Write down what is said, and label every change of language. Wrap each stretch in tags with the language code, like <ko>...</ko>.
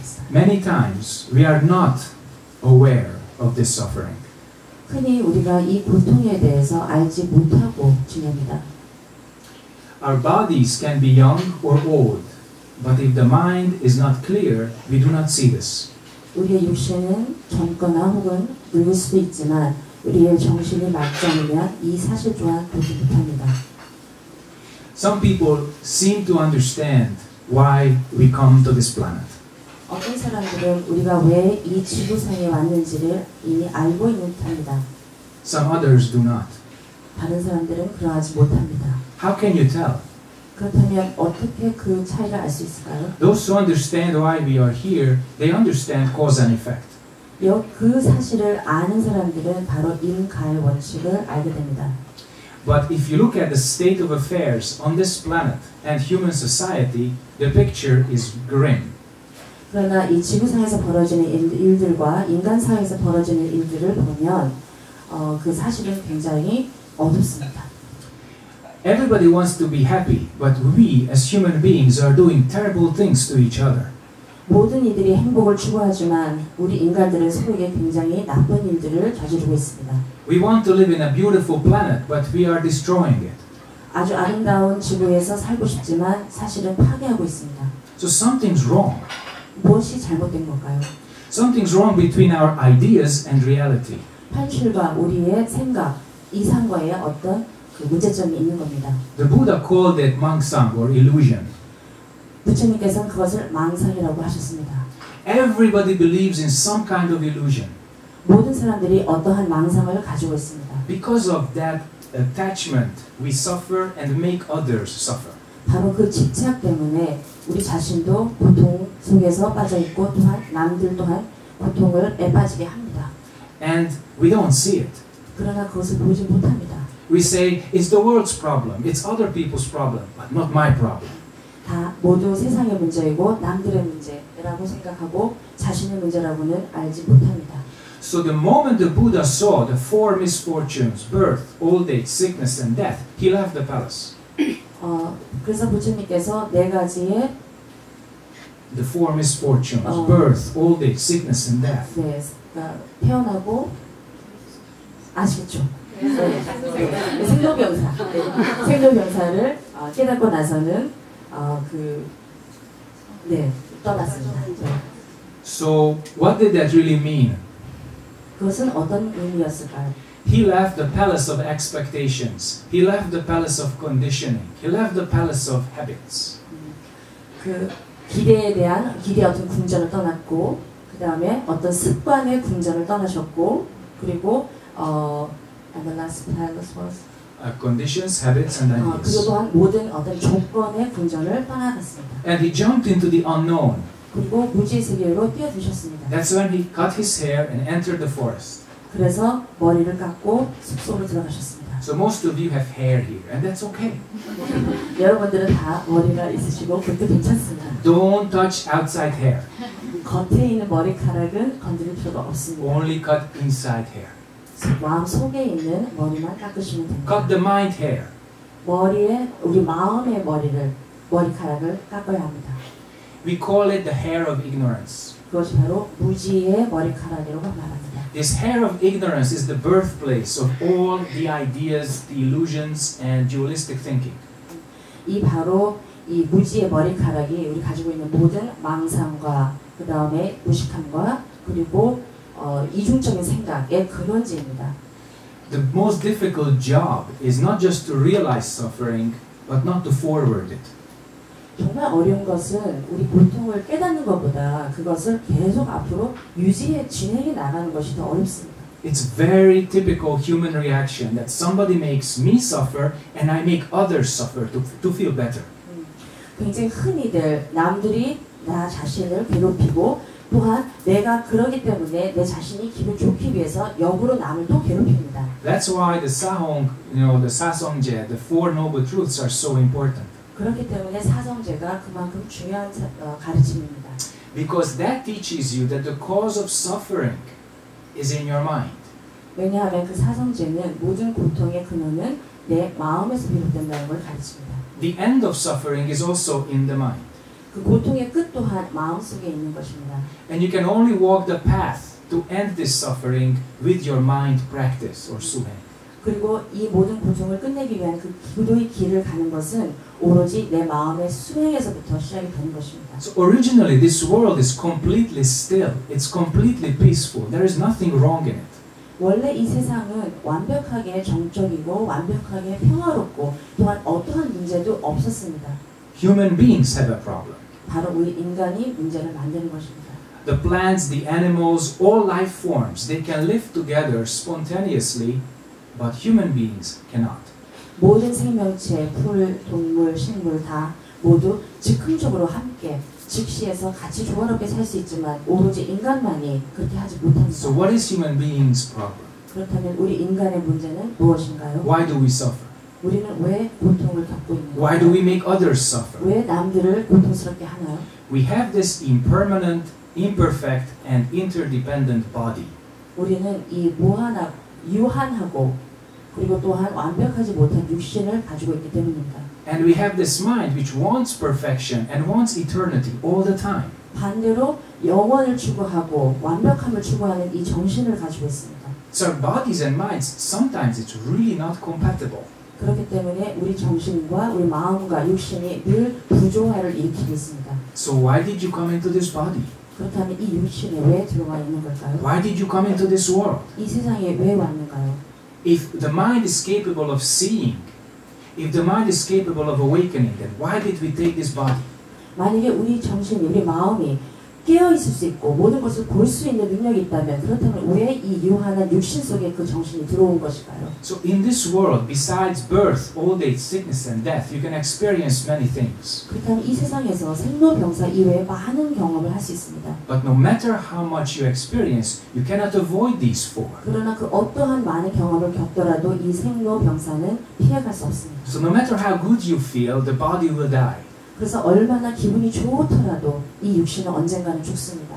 <en>Many times we are not aware of this suffering.</en> <ko>흔히 우리가 이 고통에 대해서 알지 못하고 지냅니다.</ko> <en>Our bodies can be young or old, but if the mind is not clear, we do not see this.</en> <ko>우리의 육신은 젊거나 혹은 늙을 수도 있지만 우리의 정신이 맑지 않으면 이 사실 조차 보지 못합니다.</ko> <en>Some people seem to understand why we come to this planet.</en> <ko>어떤 사람들은 우리가 왜 이 지구상에 왔는지를 이미 알고 있는 듯합니다.</ko> <en>Some others do not.</en> <ko>다른 사람들은 그러하지 못합니다.</ko> <en>How can you tell?</en> <ko>그렇다면 어떻게 그 차이를 알 수 있을까요?</ko> <en>Those who understand why we are here, they understand cause and effect.</en> <ko>그 사실을 아는 사람들은 바로 인과의 원칙을 알게 됩니다.</ko> <en>But if you look at the state of affairs on this planet and human society, the picture is grim.</en> <ko>그러나 이 지구상에서 벌어지는 일들과 인간 사회에서 벌어지는 일들을 보면 그 사실은 굉장히 어둡습니다.</ko> <en>Everybody wants to be happy, but we as human beings are doing terrible things to each other.</en> <ko>모든 이들이 행복을 추구하지만 우리 인간들은 서로에게 굉장히 나쁜 일들을 저지르고 있습니다.</ko> <en>We want to live in a beautiful planet, but we are destroying it.</en> <ko>아주 아름다운 지구에서 살고 싶지만 사실은 파괴하고 있습니다.</ko> <en>So something's wrong.</en> <ko>무엇이 잘못된 걸까요?</ko> <en>Something's wrong between our ideas and reality.</en> <ko>현실과 우리의 생각, 이상과의 어떤 그 문제점이 있는 겁니다.</ko> <en>The Buddha called it 망상 or illusion.</en> <ko>부처님께서는 그것을 망상이라고 하셨습니다.</ko> <en>Everybody believes in some kind of illusion.</en> <ko>모든 사람들이 어떠한 망상을 가지고 있습니다.</ko> <en>Because of that attachment, we suffer and make others suffer.</en> <ko>바로 그 집착 때문에 우리 자신도 고통 속에서 빠져 있고 또한 남들 또한 고통을 빠지게 합니다.</ko> <en>And we don't see it.</en> <ko>그러나 그것을 보지 못합니다.</ko> <en>We say it's the world's problem, it's other people's problem, but not my problem.</en> <ko>다 모두 세상의 문제이고 남들의 문제라고 생각하고 자신의 문제라고는 알지 못합니다.</ko> <en>So the moment the Buddha saw the four misfortunes, birth, old age, sickness, and death, he left the palace.</en> <ko>그래서 부처님께서 네 가지의</ko> <en>the four misfortunes, birth, old age, sickness, and death.</en> <ko>네, 태어나고 아시겠죠? 네, 생로병사, 네, 생로병사를 깨닫고 나서는 떠났습니다. 네.</ko> <en>So what did that really mean?</en> <ko>그것은 어떤 의미였을까요?</ko> <en>He left the palace of expectations. He left the palace of conditioning. He left the palace of habits.</en> <ko>그 기대에 대한 기대 어떤 궁전을 떠났고, 그 다음에 어떤 습관의 궁전을 떠나셨고, 그리고</ko> <en>and the last palace was conditions, habits, and ideas.</en> <ko>그리고 또한 모든 어떤 조건의 궁전을 떠나갔습니다.</ko> <en>And he jumped into the unknown.</en> <ko>그리고 무지의 세계로 뛰어드셨습니다.</ko> <en>That's when he cut his hair and entered the forest.</en> <ko>그래서 머리를 깎고 숲속으로 들어가셨습니다.</ko> <en>So most of you have hair here, and that's okay.</en> <ko>여러분들은 다 머리가 있으시고 그것도 괜찮습니다.</ko> <en>Don't touch outside hair.</en> <ko>겉에 있는 머리카락은 건드릴 필요가 없습니다.</ko> <en>Only cut inside hair.</en> <ko>마음 속에 있는 머리만 깎으시면 됩니다.</ko> <en>Cut the mind hair.</en> <ko>머리에 우리 마음의 머리를 머리카락을 깎아야 합니다.</ko> <en>We call it the hair of ignorance.</en> <ko>그것이 바로 무지의 머리카락이라고 말합니다.</ko> <en>This hair of ignorance is the birthplace of all the ideas, the illusions, and dualistic thinking.</en> <ko>이 바로 이 무지의 머리카락이 우리 가지고 있는 모든 망상과 그 다음에 무식함과 그리고 이중적인 생각의 근원지입니다.</ko> <en>The most difficult job is not just to realize suffering, but not to forward it.</en> <ko>정말 어려운 것은 우리 고통을 깨닫는 것보다 그것을 계속 앞으로 유지해 진행해 나가는 것이 더 어렵습니다.</ko> <en>It's very typical human reaction that somebody makes me suffer and I make others suffer to feel better.</en> <ko>굉장히 흔히들 남들이 나 자신을 괴롭히고 또한 내가 그러기 때문에 내 자신이 기분 좋기 위해서 역으로 남을 또 괴롭힙니다.</ko> <en>That's why the Sahong, the Sasongje, the Four Noble Truths are so important.</en> <ko>그렇기 때문에 사성제가 그만큼 중요한 가르침입니다.</ko> <en>Because that teaches you that the cause of suffering is in your mind.</en> <ko>왜냐하면 그 사성제는 모든 고통의 근원은 내 마음에서 비롯된다는 걸 가르칩니다.</ko> <en>The end of suffering is also in the mind.</en> <ko>그 고통의 끝 또한 마음 속에 있는 것입니다.</ko> <en>And you can only walk the path to end this suffering with your mind practice or suheng.</en> <ko>그리고 이 모든 고통을 끝내기 위한 그 기도의 길을 가는 것은 오로지 내 마음의 수행에서부터 시작이 되는 것입니다.</ko> <en>So originally this world is completely still. It's completely peaceful. There is nothing wrong in it.</en> <ko>원래 이 세상은 완벽하게 정적이고 완벽하게 평화롭고 또한 어떠한 문제도 없었습니다.</ko> <en>Human beings have a problem.</en> <ko>바로 우리 인간이 문제를 만드는 것입니다.</ko> <en>The plants, the animals, all life forms, they can live together spontaneously. But human beings cannot.</en> <ko>모든 생명체, 풀, 동물, 식물 다 모두 즉흥적으로 함께 즉시에서 같이 조화롭게 살 수 있지만 오로지 인간만이 그렇게 하지 못합니다.</ko> <en>So what is human beings' problem?</en> <ko>그렇다면 우리 인간의 문제는 무엇인가요?</ko> <en>Why do we suffer?</en> <ko>우리는 왜 고통을 겪고 있나요?</ko> <en>Why do we make others suffer?</en> <ko>왜 남들을 고통스럽게 하나요?</ko> <en>We have this impermanent, imperfect, and interdependent body.</en> <ko>우리는 이 무한하고 유한하고 그리고 또한 완벽하지 못한 육신을 가지고 있기 때문입니다.</ko> <en>And we have this mind which wants perfection and wants eternity all the time.</en> <ko>반대로 영원을 추구하고 완벽함을 추구하는 이 정신을 가지고 있습니다.</ko> <en>So our bodies and minds sometimes it's really not compatible.</en> <ko>그렇기 때문에 우리 정신과 우리 마음과 육신이 늘 부조화를 일으키고 있습니다.</ko> <en>So why did you come into this body?</en> <ko>그렇다면 이 육신에 왜 들어가 있는 걸까요?</ko> <en>Why did you come into this world?</en> <ko>이 세상에 왜 왔는가요?</ko> <en>If the mind is capable of seeing, if the mind is capable of awakening, then why did we take this body?</en> <ko>만약에 우리 정신이, 우리 마음이 깨어 있을 수 있고 모든 것을 볼 수 있는 능력이 있다면 그렇다면 왜 이 유한한 육신 속에 그 정신이 들어온 것일까요?</ko> <en>So in this world, besides birth, old age, sickness, and death, you can experience many things.</en> <ko>그렇다면 이 세상에서 생로병사 이외에 많은 경험을 할 수 있습니다.</ko> <en>But no matter how much you experience, you cannot avoid these four.</en> <ko>그러나 그 어떠한 많은 경험을 겪더라도 이 생로병사는 피해갈 수 없습니다.</ko> <en>So no matter how good you feel, the body will die.</en> <ko>그래서 얼마나 기분이 좋더라도 이 육신은 언젠가는 죽습니다.</ko>